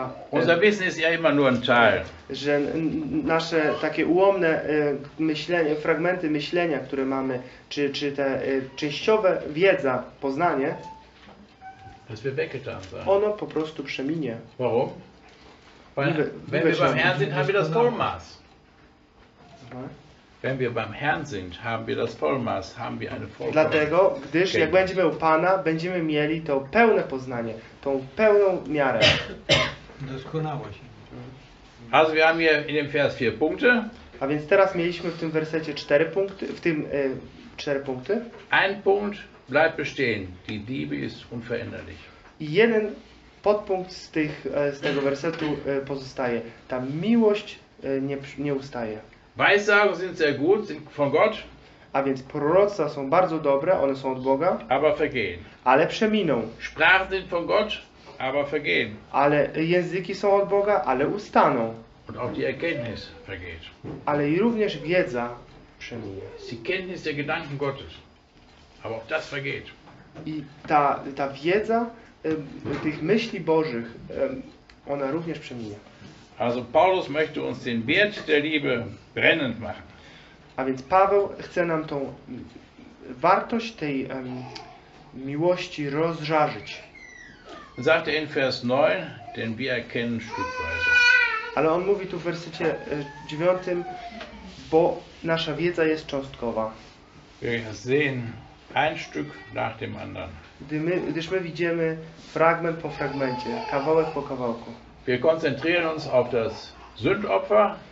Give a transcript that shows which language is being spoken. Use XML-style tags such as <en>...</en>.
<de>unser Wissen ist ja immer nur ein Teil.</de> <pl>Że nasze takie ułomne myślenie, fragmenty myślenia, które mamy, czy te częściowe wiedza, poznanie,</pl> <de>das wird weggetan sein.</de> <pl>Ono po prostu przeminie.</pl> <de>Warum? Weil, wenn wir beim Herrn sind, haben wir das Vollmaß. Wenn wir beim Herrn sind, haben wir das Vollmaß, haben wir eine Vollkommenheit.</de> <pl>Dlatego, gdyż jak będziemy u Pana, będziemy mieli to pełne poznanie, tą pełną miarę. Doskonałość.</pl> <de>Also wir haben hier in dem Vers 4 Punkte.</de> <pl>A więc teraz mieliśmy w tym wersecie 4 punkty, w tym 4 punkty.</pl> <de>Ein Punkt bleibt bestehen. Die Liebe ist unveränderlich.</de> <pl>I jeden podpunkt z tego wersetu pozostaje. Ta miłość nie ustaje.</pl> <de>Weissagen sind sehr gut, sind von Gott.</de> <pl>A więc proroctwa są bardzo dobre, one są od Boga.</pl> <de>Aber vergehen.</de> <pl>Ale przeminą.</pl> <de>Sprachen sind von Gott, aber vergehen.</de> <pl>Ale języki są od Boga, ale ustaną.</pl> <de>Und auch die Erkenntnis vergeht.</de> <pl>Ale i również wiedza przeminie.</pl> <de>Die Kenntnis der Gedanken Gottes. Aber auch das vergeht.</de> <pl>I ta wiedza tych myśli Bożych, ona również przeminie.</pl> <de>Also Paulus möchte uns den Wert der Liebe brennend machen.</de> <pl>A więc Paweł chce nam tą wartość tej miłości rozżarzyć.</pl> <de>Sagt er in Vers 9, denn wir erkennen stückweise.</de> <pl>Ale on mówi tu w wersecie 9, bo nasza wiedza jest cząstkowa.</pl> <de>Wir sehen ein Stück nach dem anderen.</de> <pl>Gdyż my widzimy fragment po fragmencie, kawałek po kawałku.</pl> <de>Wir konzentrieren uns auf das Sündopfer.</de>